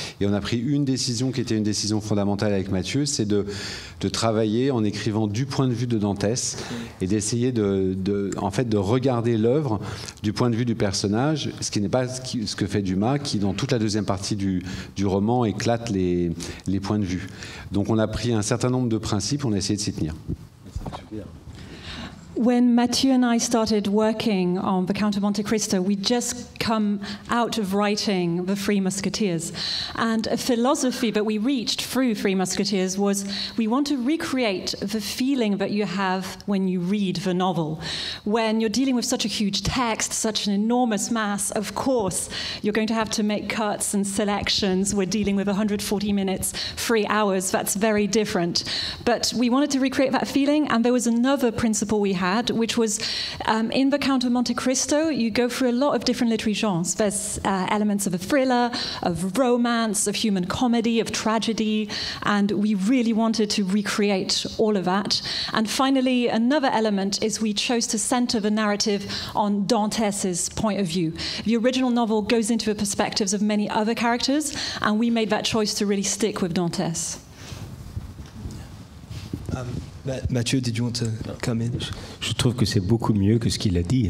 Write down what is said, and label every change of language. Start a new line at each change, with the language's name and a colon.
French: Et on a pris une décision qui était une décision fondamentale avec Matthieu, c'est de travailler en écrivant du point de vue de Dantès et d'essayer de regarder l'œuvre du point de vue du personnage, ce qui n'est pas ce que fait Dumas, qui dans toute la deuxième partie du roman éclate les points de vue. Donc on a pris un certain nombre de principes, on a essayé de s'y tenir.
English: When Matthieu and I started working on The Count of Monte Cristo, we'd just come out of writing The Three Musketeers. And a philosophy that we reached through Three Musketeers was we want to recreate the feeling that you have when you read the novel. When you're dealing with such a huge text, such an enormous mass, of course, you're going to have to make cuts and selections. We're dealing with 140 minutes, 3 hours. That's very different. But we wanted to recreate that feeling, and there was another principle we had, which was in The Count of Monte Cristo, you go through a lot of different literary genres. There's elements of a thriller, of romance, of human comedy, of tragedy, and we really wanted to recreate all of that. And finally, another element is we chose to center the narrative on Dantès's point of view. The original novel goes into the perspectives of many other characters, and we made that choice to really stick with Dantès. Matthieu, did you want to come in?
French: Je trouve que c'est beaucoup mieux que ce qu'il a dit.